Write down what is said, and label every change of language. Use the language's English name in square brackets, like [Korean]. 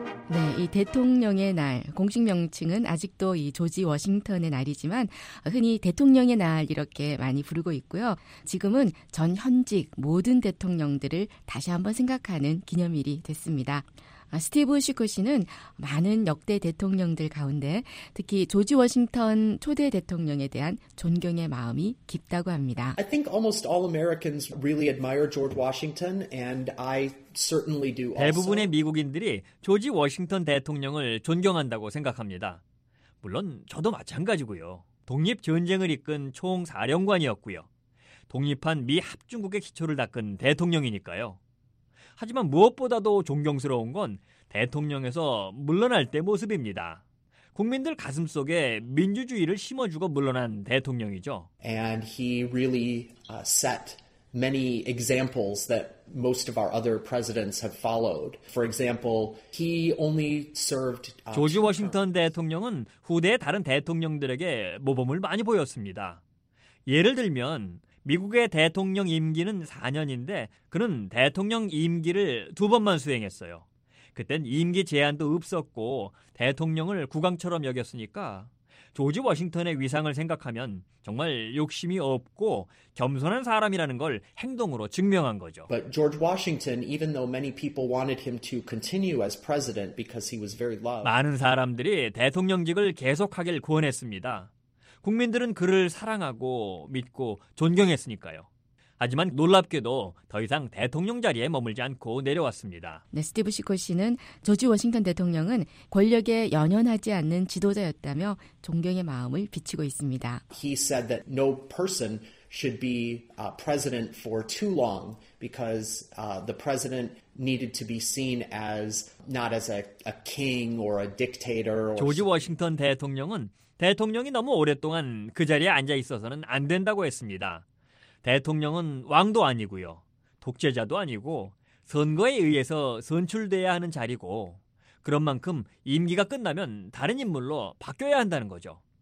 [Korean] 네, 이 대통령의 날 공식 명칭은 아직도 이 조지 워싱턴의 날이지만 흔히 대통령의 날 이렇게 많이 부르고 있고요. 지금은 전 현직 모든 대통령들을 다시 한번 생각하는 기념일이 됐습니다. 스티브 슈커 씨는 많은 역대 대통령들 가운데 특히 조지 워싱턴 초대 대통령에 대한 존경의 마음이 깊다고 합니다. [English] I think almost all Americans really admire George Washington and I certainly do also. [Korean] 대부분의 미국인들이 조지 워싱턴 대통령을 존경한다고 생각합니다. 물론 저도 마찬가지고요. 독립 전쟁을 이끈 총사령관이었고요. 독립한 미 합중국의 기초를 닦은 대통령이니까요. 하지만 무엇보다도 존경스러운 건 대통령에서 물러날 때 모습입니다. 국민들 가슴 속에 민주주의를 심어주고 물러난 대통령이죠. [English] And he really set many examples that most of our other presidents have followed. For example, he only served [Korean] 조지 워싱턴 대통령은 후대의 다른 대통령들에게 모범을 많이 보였습니다. 예를 들면 미국의 대통령 임기는 4년인데 그는 대통령 임기를 두 번만 수행했어요. 그땐 임기 제한도 없었고 대통령을 국왕처럼 여겼으니까 조지 워싱턴의 위상을 생각하면 정말 욕심이 없고 겸손한 사람이라는 걸 행동으로 증명한 거죠. [English] But George Washington, even though many people wanted him to continue as president because he was very loved. [Korean] 많은 사람들이 대통령직을 계속하길 권했습니다. 국민들은 그를 사랑하고 믿고 존경했으니까요. 하지만 놀랍게도 더 이상 대통령 자리에 머물지 않고 내려왔습니다. 네, 스티브 시코 씨는 조지 워싱턴 대통령은 권력에 연연하지 않는 지도자였다며 존경의 마음을 비치고 있습니다. [English] He said that no person should be president for too long because the president needed to be seen as not as a king or a dictator. [Korean] 조지 워싱턴 대통령은 대통령이 너무 오랫동안 그 자리에 앉아 있어서는 안 된다고 했습니다. 대통령은 왕도 아니고요. 독재자도 아니고 선거에 의해서 선출돼야 하는 자리고 그런 만큼 임기가 끝나면 다른 인물로 바뀌어야 한다는 거죠.